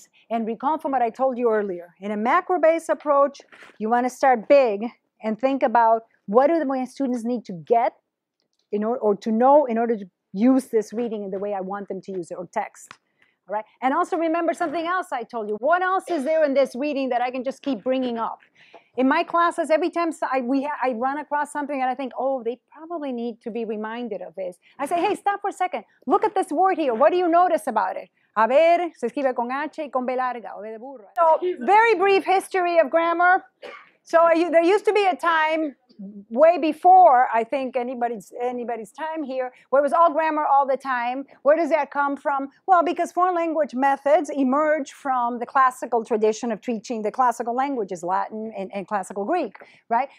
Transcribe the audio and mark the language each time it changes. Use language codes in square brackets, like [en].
[en] And recall from what I told you earlier, in a macro-based approach, you want to start big and think about what do my students need to get in or to know in order to use this reading in the way I want them to use it, or text, all right? And also remember something else I told you. What else is there in this reading that I can just keep bringing up? In my classes, every time I run across something and I think, oh, they probably need to be reminded of this, I say, hey, stop for a second. Look at this word here. What do you notice about it? [es] A ver, se escribe con H y con B larga, o B de burro. [en] So, very brief history of grammar. So, there used to be a time way before, I think, anybody's time here, where it was all grammar all the time. Where does that come from? Well, because foreign language methods emerge from the classical tradition of teaching the classical languages, Latin and classical Greek, right?